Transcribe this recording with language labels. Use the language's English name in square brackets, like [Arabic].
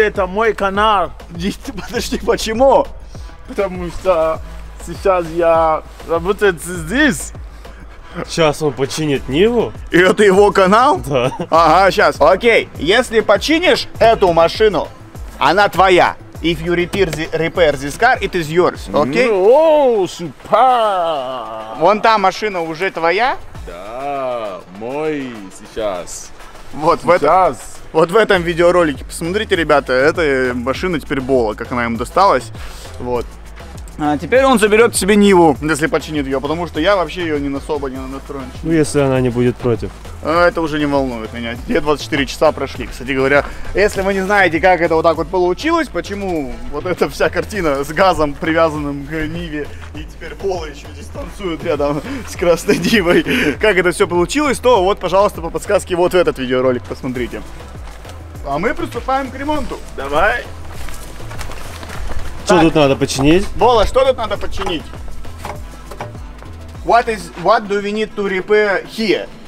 [Russian] Это мой канал. Подожди, почему? Потому что сейчас я работаю здесь. Сейчас он починит Ниву. И это его канал? Да. Ага, сейчас. Окей, если починишь эту машину, она твоя. [English] If you repair this car, it is yours, окей? [Russian] Оу, супер! Вон та машина уже твоя? Да, мой сейчас. Вот, сейчас. Вот в этом видеоролике. Посмотрите, ребята, эта машина теперь Бола, как она ему досталась. Вот. А теперь он заберет себе Ниву, если починит ее, потому что я вообще ее не особо не настроен. Ну, если она не будет против. Это уже не волнует меня. Где 24 часа прошли, кстати говоря. Если вы не знаете, как это вот так вот получилось, почему вот эта вся картина с газом, привязанным к Ниве, и теперь Бола еще здесь танцует рядом с красной Нивой, как это все получилось, то вот, пожалуйста, по подсказке вот в этот видеоролик посмотрите. А мы приступаем к ремонту. Давай. Что так. Тут надо починить? Бола, что тут надо починить? [English] What do we need to repair here?